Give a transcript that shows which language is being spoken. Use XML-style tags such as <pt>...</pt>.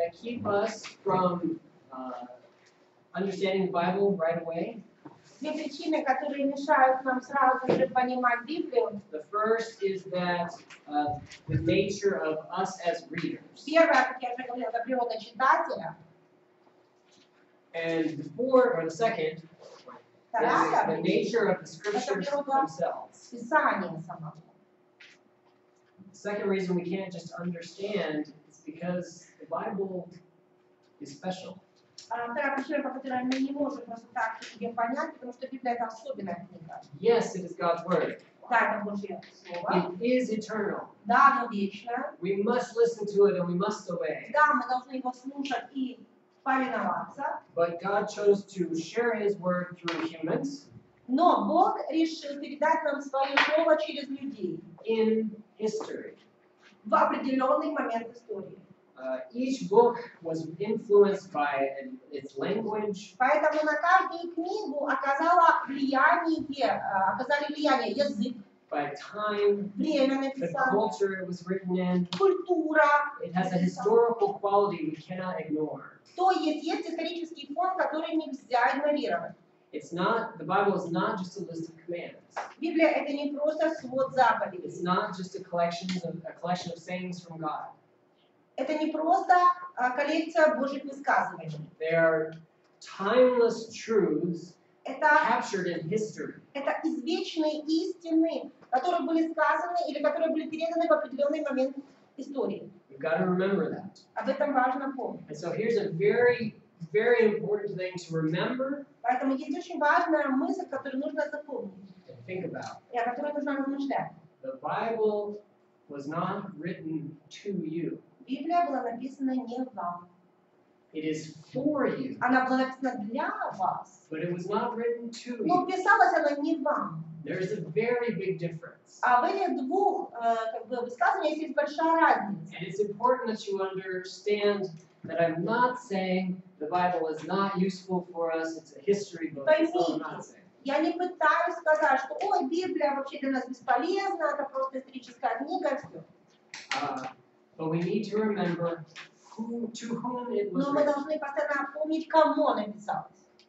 <en>keep us from understanding the Bible right away.</en> <ru>Две причины, которые мешают нам сразу же понимать Библию.</ru> <en>The first is that the nature of us as readers.</en> <ru>Первое, как я уже говорила, это природа читателя.</ru> <en>And the fourth, or the second, is the nature of the scriptures themselves.</en> <ru>Писание само.</ru> <en>The second reason we can't just understand is because the Bible is special.</en> <ru>Вторая причина, по которой мы не можем просто так ее понять, потому что Библия — это особенная книга.</ru> <en>Yes, it is God's word.</en> <ru>Да, это Божье слово.</ru> <en>It is eternal.</en> <ru>Да, оно вечное.</ru> <en>We must listen to it and we must obey.</en> <ru>Да, мы должны его слушать и повиноваться.</ru> <en>But God chose to share His word through humans.</en> <ru>Но Бог решил передать нам свое слово через людей.</ru> <en>In history.</en> <ru>В определенный момент истории.</ru> <en>Each book was influenced by its language.</en> <ru>Поэтому на каждую книгу оказали влияние язык.</ru> <en>By time,</en> <ru>время написания,</ru> <en>the culture it was written in.</en> <ru>Культура.</ru> <en>It has a historical quality we cannot ignore.</en> <ru>То есть исторический фон, который нельзя игнорировать.</ru> <en>It's not, the Bible is not just a list of commands.</en> <ru>Библия — это не просто свод заповедей.</ru> <en>It's not just a collection of sayings from God.</en> <ru>Это не просто коллекция Божьих высказываний.</ru> <en>They are timeless truths captured in history.</en> <ru>Это извечные истины, которые были сказаны или которые были переданы в определенный момент истории.</ru> <en>You've got to remember that.</en> <ru>Об этом важно помнить.</ru> <en>And so here's a very, very important thing to remember.</en> <ru>Поэтому есть очень важная мысль, которую нужно запомнить.</ru> <en>And think about.</en> <ru>И о которой нужно размышлять.</ru> <en>The Bible was not written to you.</en> <ru>Библия была написана не вам.</ru> <en>It is for you.</en> <ru>Она была написана для вас.</ru> <en>But it was not written to you.</en> <ru>Но писалась она не вам.</ru> <en>There is a very big difference.</en> <ru>А в этих двух высказываниях есть большая разница.</ru> <en>And it's important that you understand that I'm not saying the Bible is not useful for us. It's a history book. That's all I'm not saying.</en> <ru>Я не пытаюсь сказать, что ой, Библия вообще для нас бесполезна, это просто историческая книга, все.</ru> <en>But we need to remember to whom it was written.</en> <ru>Но мы должны постоянно помнить, кому оно писалось.</ru>